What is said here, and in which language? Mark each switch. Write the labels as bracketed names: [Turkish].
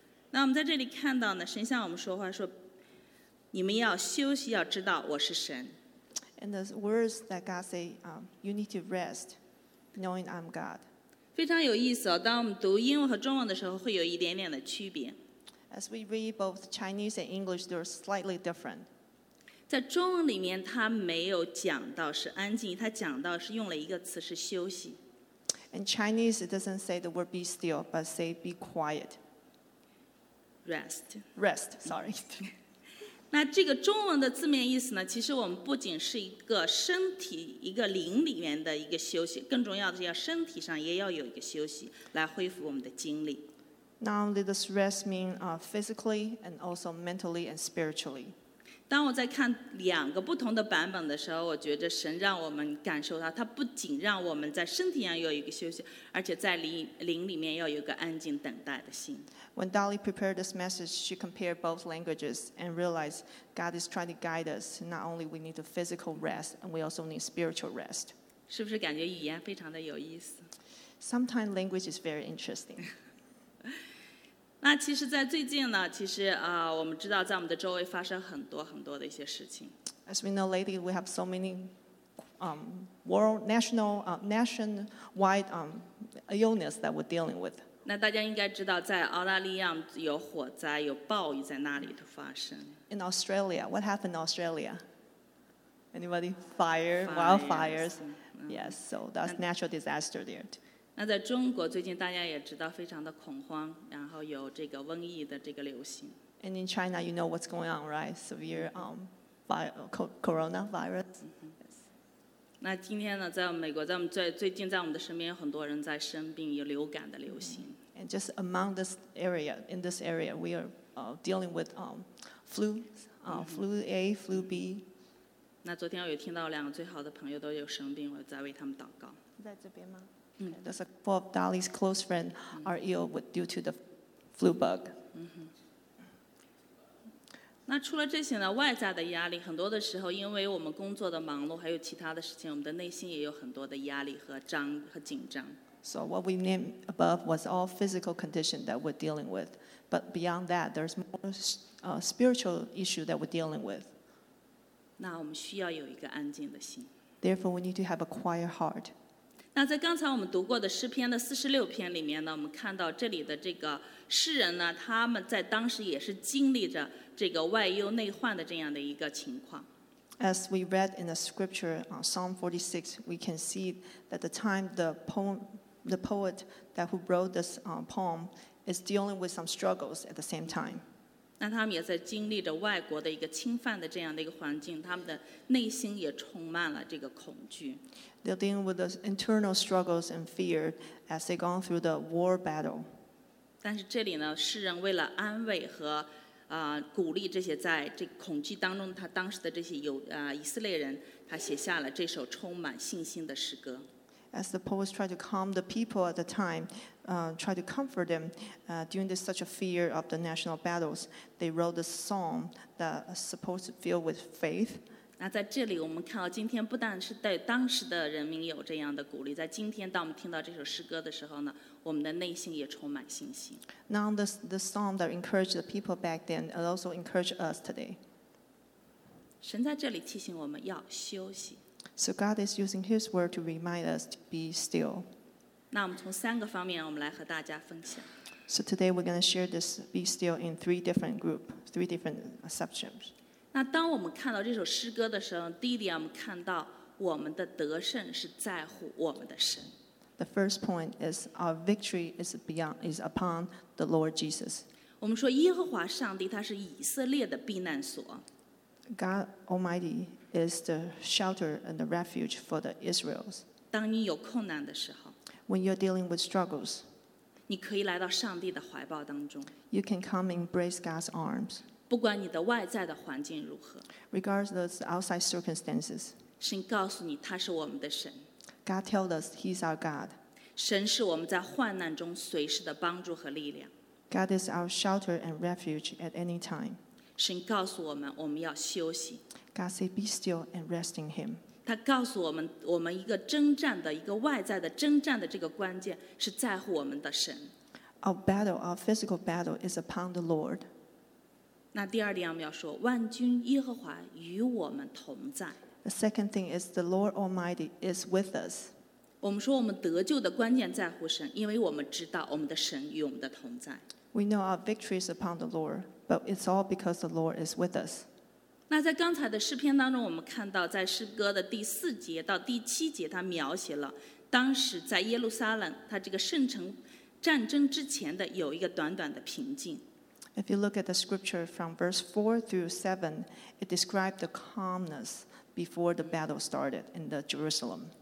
[Chinese] 那我们在这里看到呢，神向我们说话说，你们要休息，要知道我是神。 [English] And the words that God say, you need to rest, knowing I'm God. [Chinese] 非常有意思哦，当我们读英文和中文的时候，会有一点点的区别。 [English] As we read both Chinese and English, they're slightly different. [Chinese] 在中文里面，他没有讲到是安静，他讲到是用了一个词是休息。 [English] In Chinese, it doesn't say the word be still, but say be quiet. Rest. Rest, sorry. [Chinese] 那这个中文的字面意思呢，其实我们不仅是一个身体，一个灵里面的一个休息，更重要的是要身体上也要有一个休息，来恢复我们的精力。 [English] Not only does rest mean physically and also mentally and spiritually. [Chinese] 当我在看两个不同的版本的时候，我觉得神让我们感受到，他不仅让我们在身体上有一个休息，而且在灵里面要有一个安静等待的心。 [English] When Dolly prepared this message, she compared both languages and realized God is trying to guide us. Not only we need a physical rest, and we also need spiritual rest. [Chinese] 是不是感觉语言非常的有意思？ [English] Sometimes language is very interesting. [Chinese] 那其实在最近呢，其实我们知道在我们的周围发生很多很多的一些事情。 [English] As we know lately, we have so many nationwide illness that we're dealing with. [Chinese] 那大家应该知道在澳大利亚有火灾，有暴雨在那里的发生。 [English] In Australia, what happened in Australia? Anybody? Fire, wildfires. Yes, so that's natural disaster there too. [Chinese] 那在中国最近大家也知道非常的恐慌，然后有这个瘟疫的这个流行。 [English] And in China, you know what's going on, right? Severe coronavirus. Mm-hmm. Yes. [Chinese] 那今天呢，在美国，在我们最近，在我们的身边，很多人在生病，有流感的流行。 Mm-hmm. [English] And just among this area, in this area, we are dealing with flu, flu A, flu B. [Chinese] 那昨天我有听到两个最好的朋友都有生病，我在为他们祷告。在这边吗？ [English] Okay, there's a four of Dolly's close friends are ill with due to the flu bug. [Chinese] 那除了这些呢，外在的压力，很多的时候因为我们工作的忙碌，还有其他的事情，我们的内心也有很多的压力和紧张。 [English] So what we named above was all physical condition that we're dealing with. But beyond that, there's more spiritual issue that we're dealing with. [Chinese] 那我们需要有一个安静的心。 [English] Therefore, we need to have a quiet heart. [Chinese] 那在刚才我们读过的诗篇的四十六篇里面呢，我们看到这里的这个诗人呢，他们在当时也是经历着这个外忧内患的这样的一个情况。 [English] As we read in the scripture, Psalm 46, we can see that the time the poet that who wrote this poem is dealing with some struggles at the same time. [Chinese] 那他们也在经历着外国的一个侵犯的这样的一个环境，他们的内心也充满了这个恐惧。 [English] They're dealing with the internal struggles and fear as they've gone through the war battle. [Chinese] 但是这里呢，诗人为了安慰和鼓励这些在这恐惧当中他当时的这些以色列人，他写下了这首充满信心的诗歌。 [English] As the poets try to calm the people at the time, try to comfort them during this such a fear of the national battles, they wrote a psalm that is supposed to fill with faith. [Chinese] 那在这里我们看到今天不但是对当时的人民有这样的鼓励，在今天当我们听到这首诗歌的时候呢，我们的内心也充满信心。 [English] Now the psalm that encouraged the people back then, it also encouraged us today. [Chinese] 神在这里提醒我们要休息。 [English] So God is using His word to remind us to be still. [Chinese] 那我们从三个方面我们来和大家分享。 [English] So today we're going to share this be still in three different sections. [Chinese] 那当我们看到这首诗歌的时候，第一点我们看到我们的得胜是在乎我们的神。 [English] The first point is our victory is upon the Lord Jesus. [Chinese] 我们说耶和华上帝他是以色列的避难所。 [English] God Almighty is the shelter and the refuge for the Israels. [Chinese] 当你有困难的时候， [English] When you're dealing with struggles, [Chinese] 你可以来到上帝的怀抱当中。 [English] You can come embrace God's arms. [Chinese] 不管你的外在的环境如何， [English] Regardless of outside circumstances, [Chinese] 神告诉你他是我们的神。 [English] God tells us He's our God. [Chinese] 神是我们在患难中随时的帮助和力量。 [English] God is our shelter and refuge at any time. [Chinese] 神告诉我们，我们要休息。 [English] God said, "Be still and rest in Him." [Chinese] 他告诉我们，我们一个征战的一个外在的征战的这个关键是在乎我们的神。 [English] Our battle, our physical battle, is upon the Lord. [Chinese] 那第二点我们要说，万军耶和华与我们同在。 [English] The second thing is the Lord Almighty is with us. [Chinese] 我们说我们得救的关键在乎神，因为我们知道我们的神与我们的同在。 [English] We know our victory is upon the Lord, but it's all because the Lord is with us. [Chinese] 那在刚才的诗篇当中，我们看到在诗歌的第四节到第七节，他描写了当时在耶路撒冷他这个圣城战争之前的有一个短短的平静。 [English] If you look at the scripture from verse 4 through 7, it describes the calmness before the battle started in the Jerusalem.